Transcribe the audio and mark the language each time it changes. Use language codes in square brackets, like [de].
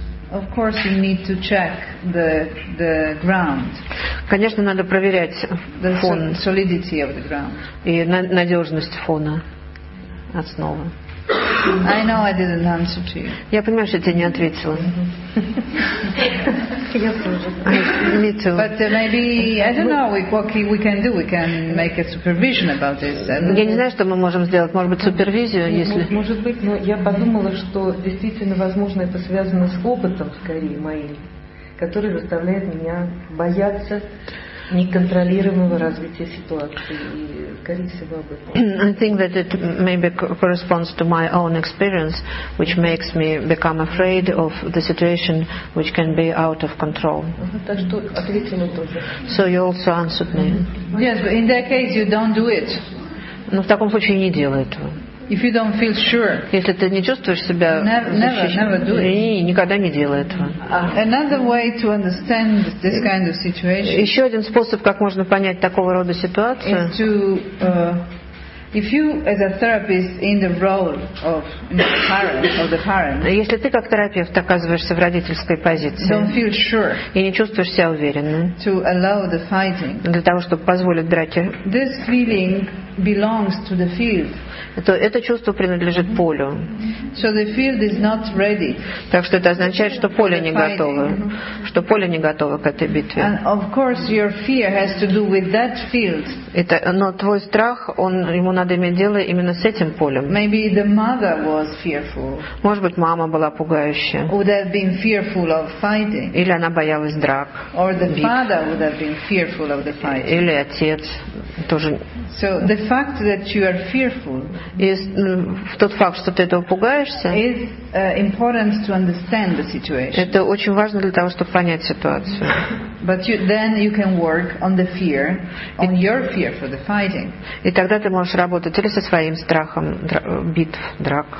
[en] Of course, you need to check the ground. [ru] Конечно, надо проверять [en] the [ru] фон. [en] Solidity of the ground. [ru] И надежность фона, основы. [en] I know I didn't answer to you. [ru] Я понимаю, что я тебе не ответила. Я тоже. [en] Me too. But maybe I don't know what we can do. We can make a supervision about this. [ru] Я не знаю, что мы можем сделать. Может быть, супервизию, если. Может быть, но я подумала, что действительно, возможно, это связано с опытом, скорее моим, который заставляет меня бояться неконтролируемого развития ситуации. [en] I think that it maybe corresponds to my own experience, which makes me become afraid of the situation, which can be out of control. [ru] Так что ответьте мне тоже. [en] So you also answered me. Yes, but in that case you don't do it. [ru] Но в таком случае не делай этого. [en] If you don't feel sure, [ru] если ты не чувствуешь себя защищенным, никогда не делай этого. [en] Another way to understand this kind of situation. [ru] Еще один способ, как можно понять такого рода ситуацию. [en] Is to, if you as a therapist in the role of the parent. [ru] Если ты как терапевт оказываешься в родительской позиции, [en] don't feel sure, [ru] и не чувствуешь себя уверенно, [en] to allow the fighting, [ru] для того чтобы позволить драке, [en] this feeling belongs to the field. [ru] Это чувство принадлежит полю. [en] So the field is not ready. [ru] Так что это означает, что поле не готово. Что поле не готово к этой битве. [en] And of course your fear has to do with that field. [ru] Это, но твой страх, он, ему надо иметь дело именно с этим полем. [en] Maybe the mother was fearful. [ru] Может быть, мама была пугающая. [en] Would have been fearful of fighting. [ru] Или она боялась драк. [en] Or the father would have been fearful of the fighting. [ru] Или отец тоже. [en] So the fact that you are fearful, [ru] и тот факт, что ты этого пугаешься, [en] is important to understand the situation. [ru] Это очень важно для того, чтобы понять ситуацию. [en] But you, then you can work on the fear, on your fear for the fighting. [ru] И тогда ты можешь работать или со своим страхом битв, драк.